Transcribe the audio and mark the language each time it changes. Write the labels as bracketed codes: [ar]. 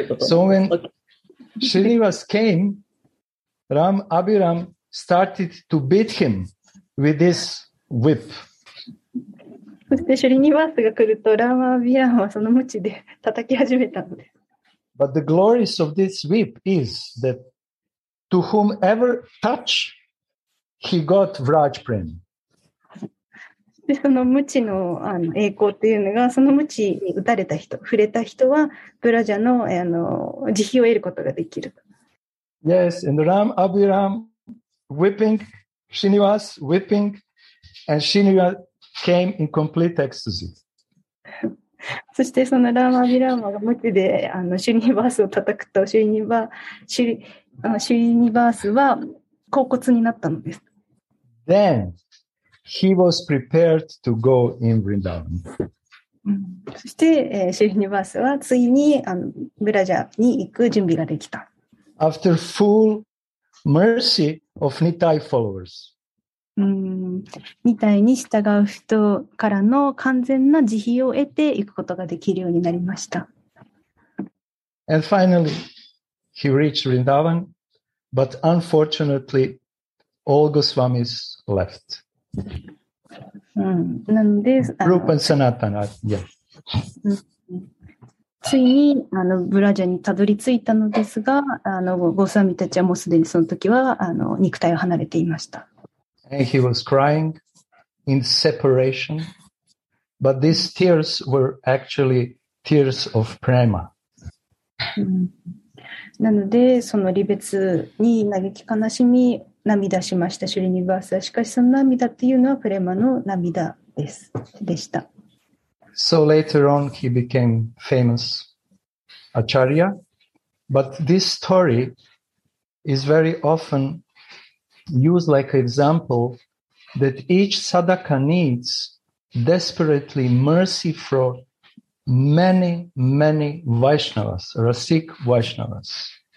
[en] So when Srinivas came, Ram Abiram started to beat him with this whip. [ja] そしてシュリニバースが来るとラーマビアンはその鞭で叩き始めたのです。 [en] But the glory of this whip is that to whomever touch, he got Vraj Prem. [ja] でその鞭 の栄光というのがその鞭に打たれた人、触れた人はブラジャの慈悲を得ることができる。 [en] Yes, and Ram Abiram whipping, Srinivas whipping, and Srinivas came in complete ecstasy. [ja] そしてそのラーマビラーマが鞭でシュリニバースを叩くとシュリニバースは恍惚になったのです。 [en] Then he was prepared to go in Vrindavan. [ja] そしてシュリニバースはついにブラジャに行く準備ができた。 [en] After full mercy of Nittai followers. [ja] みたいに従う人からの完全な慈悲を得ていくことができるようになりました。 [en] And finally, he reached Vrindavan, but unfortunately, all Goswamis left. [ja] なんで、 [en] Rupa and Sanatana, yes. [ja] ついにブラジャにたどり着いたのですが、ゴスワミたちはもうすでにその時は肉体を離れていました。 [en] And he was crying in separation, but these tears were actually tears of prema. [ja] なので、その離別に嘆き悲しみ、涙しました、シュリニバースは。しかし、その涙っていうのはプレマの涙です、でした。 [en] So later on, he became famous Acharya, but this story is very often use like example that each sadaka needs desperately mercy from many, many Vaishnavas, Rasik Vaishnavas.